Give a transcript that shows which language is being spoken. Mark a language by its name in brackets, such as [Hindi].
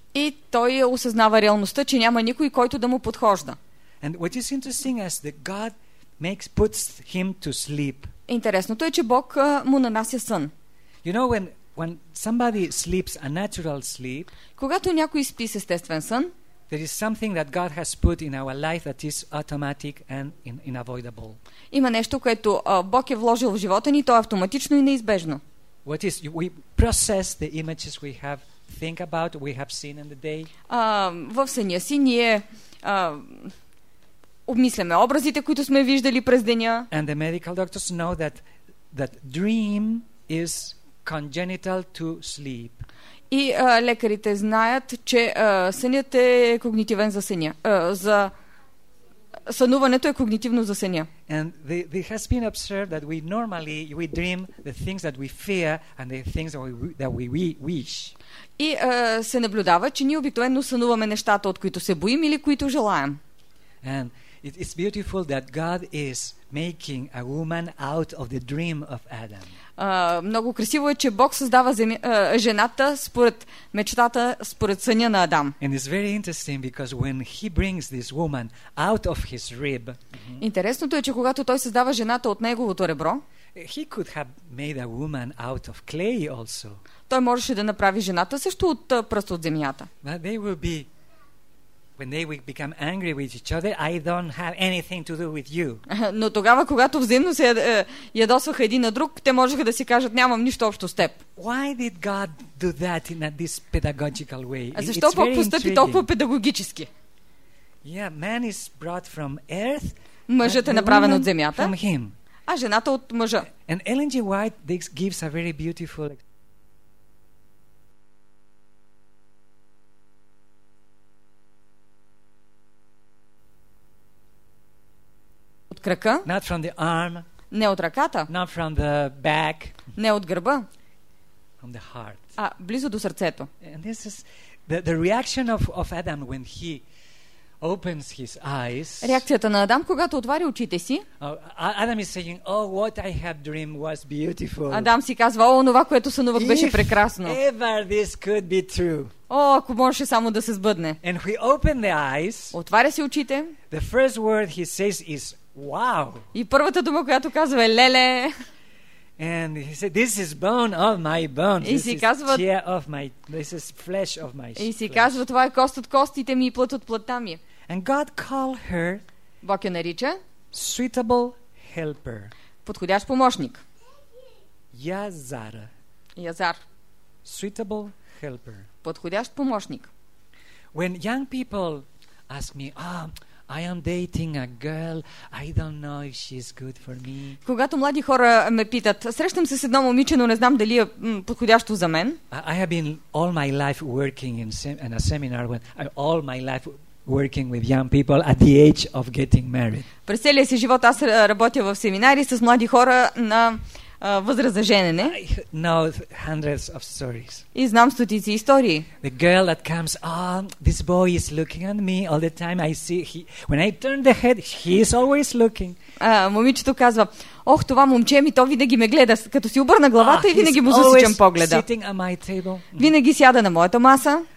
[Bulgarian] И той осъзнава реалността, че няма никой, който да му подхожда. [English] And what is interesting is that God makes puts him to sleep. [Bulgarian] Интересното е, че Бог му нанася сън. [English] You know, when somebody sleeps a natural sleep, [Bulgarian] когато някой спи с естествен сън, [English] there is something that God has put in our life that is automatic and unavoidable. [Bulgarian] Има нещо, което Бог е вложил в живота ни, то е автоматично и неизбежно. [English] What is, we process the images we have think about, we have seen in the day. [Bulgarian] В съня си ние обмисляме образите, които сме виждали през деня. [English] And the medical doctors know that dream is congenital to sleep. [Bulgarian] И лекарите знаят, че сънят е когнитивен за съня. За сънуването е когнитивно за съня. [English] And there has been observed that we normally we dream the things that we fear and the things that we wish. [Bulgarian] И се наблюдава, че ние обикновено сънуваме нещата, от които се боим или които желаем. [English] And it's beautiful that God is making a woman out of the dream of Adam. [Bulgarian] Много красиво е, че Бог създава жената според мечтата, според съня на Адам. [English] And it's very interesting because when he brings this woman out of his rib. [Bulgarian] Интересното е, че когато той създава жената от неговото ребро, [English] he could have made a woman out of clay also. [Bulgarian] Той можеше да направи жената също от пръст от земята. [English] But they will be when they will become angry with each other, I don't have anything to do with you. [Bulgarian] Но тогава, когато взаимно се ядосваха един на друг, те можеха да си кажат, нямам нищо общо с теб. [English] Why did God do that in this pedagogical way? [Bulgarian] Защо Бог постъпи толкова педагогически? [English] Yeah, man is brought from earth. [Bulgarian] Мъжът е направен от земята. [English] From him. [Bulgarian] А жената от мъжа. [English] And Ellen G. White this gives a very beautiful example. [Bulgarian] Крака, [English] not from the arm, [Bulgarian] не от ръката, [English] not from the back, [Bulgarian] не от гърба, [English] from the heart, [Bulgarian] а близо до сърцето. [English] And this is the reaction of Adam when he opens his eyes. [Bulgarian] Реакцията на Адам, когато отваря очите си. [English] Adam is saying, oh, what I have dreamed was beautiful. [Bulgarian] Адам си казва, о, това, което сънувах, беше прекрасно. [English] If ever this could be true. [Bulgarian] О, ако можеше само да се сбъдне. [English] And he opened the eyes. [Bulgarian] Отваря си очите. [English] The first word he says is wow. [Bulgarian] И първата дума, която казва е леле. [English] And he said, this is bone of my bones. This is chair of my, this is flesh of my flesh. [Bulgarian] И си казва, това е кост от костите ми и плът от плътта ми. [English] And God called her, [Bulgarian] Бог я нарича, [English] suitable helper. [Bulgarian] Подходящ помощник. [Hebrew] Язар. Язар. [English] Suitable helper. [Bulgarian] Подходящ помощник. [English] When young people ask me, ah, I am dating a girl. I don't know if she's good for me. [Bulgarian] Когато млади хора ме питат, срещам се с едно момиче, но не знам дали е подходящо за мен. [English] I have been all my life working in a seminar when I all my life working with young people at the age of getting married. [Bulgarian] През целия си живот аз работя в семинари с млади хора на възраст за женене. [English] I know hundreds of stories. [Bulgarian] И знам стотици истории. [English] The girl that comes, oh, this boy is looking at me all the time. I see he, when I turn the head, he is always looking. [Bulgarian] Момичето казва, ох, това момче ми, то винаги ме гледа, като си обърна главата и винаги му засичам погледа. [English] Sitting at my table. [Bulgarian] Винаги сяда на моята маса.